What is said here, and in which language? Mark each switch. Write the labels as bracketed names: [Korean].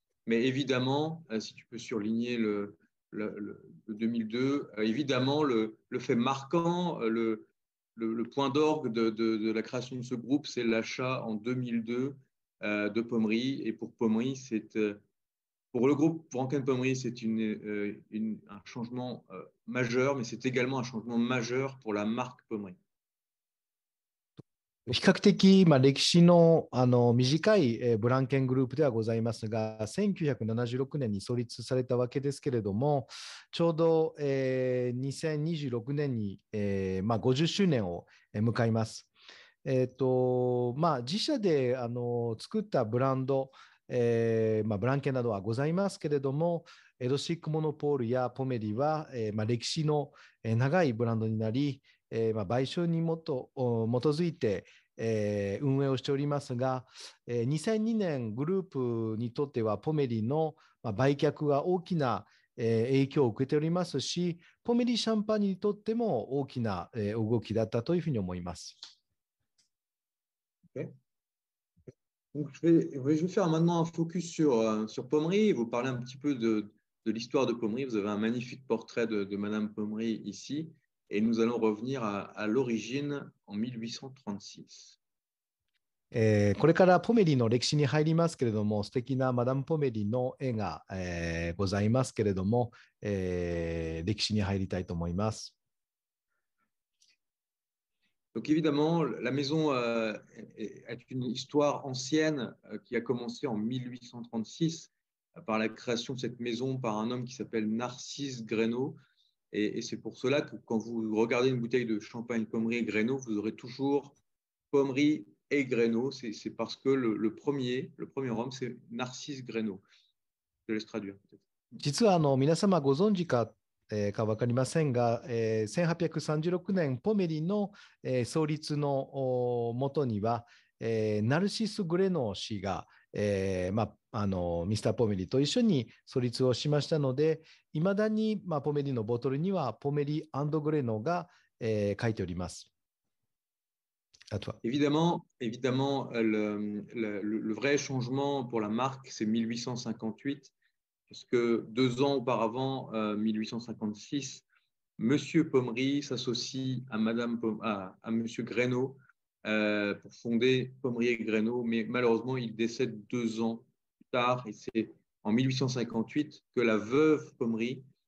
[French] Mais évidemment, si tu peux surligner le 2002, évidemment, le fait marquant, le point d'orgue de la création de ce groupe, c'est l'achat en 2002 de Pommery. Et pour Pommery, pour le groupe Vranken Pommery, c'est un changement majeur, mais c'est également un changement majeur pour la marque Pommery. [Japanese] 比較的、まあ、歴史 の短い、ブランケングループではございますが、1976年に創立されたわけですけれども、ちょうど、2026年に、まあ、50周年を迎えます。まあ、自社で作ったブランド、まあ、ブランケンなどはございますけれども、エドシックモノポールやポメリは、まあ、歴史の長いブランドになり、まあ、買収に基づいて、運営をしておりますが、2002年グループにとってはポメリの、まあ、売却が大きな、影響を受けておりますし、ポメリシャンパニーにとっても大きな、動きだったというふうに思います。 [English] Okay. [French] Donc je vais faire maintenant un focus sur Pommery. Vous parlez un petit peu de l'histoire de Pommery. Vous avez un magnifique portrait de Madame Pommery ici. Et nous allons revenir à l'origine en 1836. [Japanese] これからポメリの歴史に入りますけれども、素敵なマダムポメリの絵が、ございますけれども、歴史に入りたいと思います。 [French] Donc évidemment, la maison est une histoire ancienne qui a commencé en 1836 par la création de cette maison par un homme qui s'appelle Narcisse Greynaud. Et c'est pour cela que quand vous regardez une bouteille de champagne Pommery et Greynaud, vous aurez toujours Pommery et Greynaud. C'est parce que le premier homme, c'est Narcisse Greynaud. Je laisse traduire. [Japanese] 実は皆様ご存知か、か分かりませんが、1836年ポメリの、創立のもとには、ナルシス・グレノー氏が、ミスター・ポメリと一緒に創立をしましたので、いまだに、ポメリのボトルにはポメリ&グレノーが、書いております。あとは [French] évidemment, évidemment, le vrai changement pour la marque c'est 1858parce que deux ans auparavant, 1856, Monsieur Pommery s'associe à Monsieur Greynaud pour fonder Pommery et Greynaud, mais malheureusement, il décède deux ans plus tard, et c'est en 1858 que la veuve Pommery